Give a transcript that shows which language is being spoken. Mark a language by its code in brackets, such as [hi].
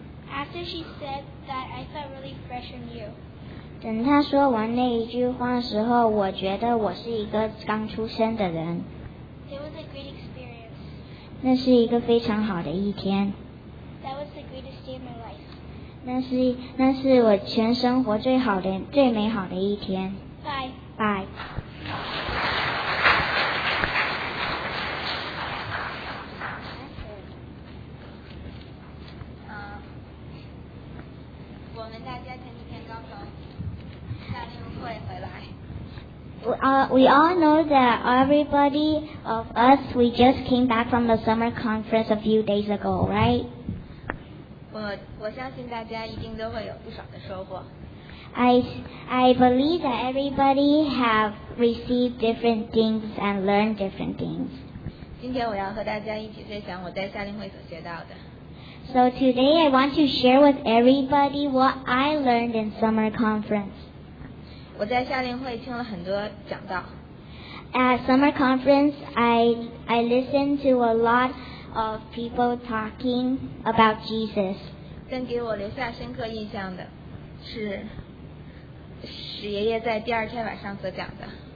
[en] After she said that, I felt really fresh and new. [zh] 等他说完那一句话的时候，我觉得我是一个刚出生的人。 [en] It was a great experience. [zh] 那是一个非常好的一天。 [en] That was the greatest day of my life. [zh] 那是我全生活最好的、最美好的一天。拜拜。我们大家前几天刚从夏令会回来。 [en] We all know that everybody of us, we just came back from the summer conference a few days ago, right? [zh] 我相信大家一定都会有不少的收获。 [en] I believe that everybody have received different things and learned different things. [zh] 今天我要和大家一起分享我在夏令会所学到的。 [en] So today I want to share with everybody what I learned in summer conference. [zh] 我在夏令会听了很多讲道。 [en] At summer conference, I listened to a lot. Of people talking about Jesus. [zh] 更给我留下深刻印象的是爷爷在第二天晚上所讲的。